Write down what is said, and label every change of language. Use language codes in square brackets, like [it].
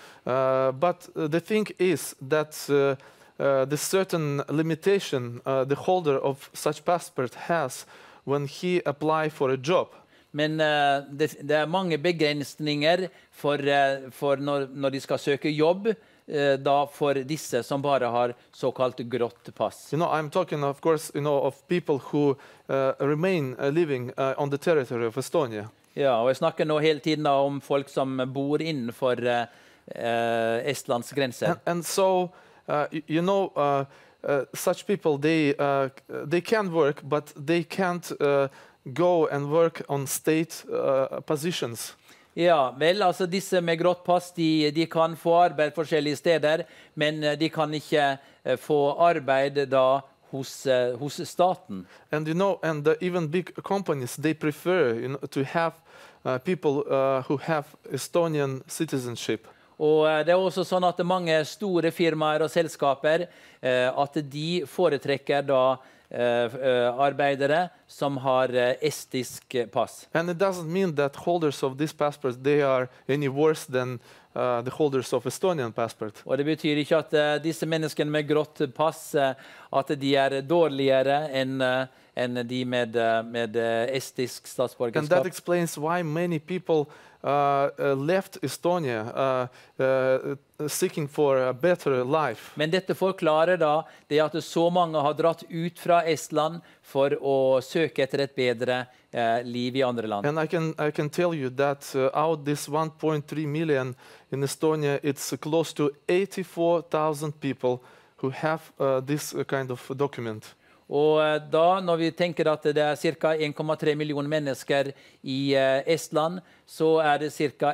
[en] But the thing is that the certain limitation the holder of such passport has when he apply for a job. [no] Men det er mange begrensninger for når de skal søke jobb, da for disse som bare har såkalt grått pass. [en] You know, I'm talking of course, you know, of people who remain living on the territory of Estonia. [no] Ja, og jeg snakker nå hele tiden da om folk som bor innenfor Estlands grenser. [en] And so you know, such people they can work, but they can't go and work on state positions. [no] Ja, vel, altså disse med grått pass, de kan få arbeid forskjellige steder, men de kan ikke få arbeid da hos staten. [en] And you know, and even big companies, they prefer, you know, to have people who have Estonian citizenship. [no] Og det er også sånn at mange store firmaer og selskaper, at de foretrekker da arbeidere som har estisk pass. [en] And it doesn't mean that holders of this passport they are any worse than the holders of Estonian passport. [no] Og det betyr ikke at disse menneskene med grått pass at de er dårligere enn de med estisk statsborgerskap. [en] And that explains why many people left Estonia seeking for a better life. [no] Men dette forklarer da det at så mange har dratt ut fra Estland for å søke etter et bedre liv i andre land. [en] And I can tell you that out this 1.3 million in Estonia, it's close to 84,000 people who have this kind of document. [no] Og da, når vi tenker at det er ca. 1,3 millioner mennesker i Estland, så er det ca.